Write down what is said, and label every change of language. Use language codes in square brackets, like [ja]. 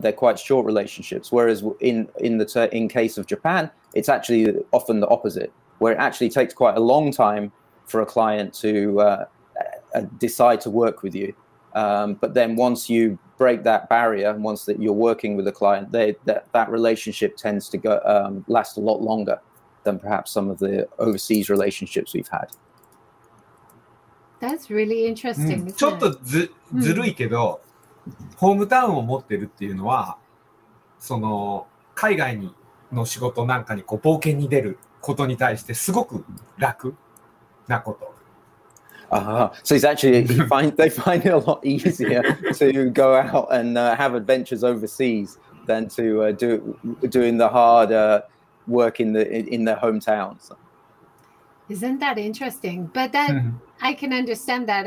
[en] They're quite short relationships. Whereas in case of Japan, it's actually often the opposite, where it actually takes quite a long time for a client to decide to work with you. But then once you break that barrier, once that you're working with a client, that relationship tends to go last a lot longer than perhaps some of the overseas relationships we've had. That's really interesting. [ja] ちょっとずるいけど、ホームタウンを持ってるっていうのは、その海外にの仕事なんかにこう冒険に出ることに対してすごく楽なこと。 [en] So it's actually they find it a lot easier to go out and have adventures overseas than to doing the hard work in their hometowns. Isn't that interesting? But then I can understand that.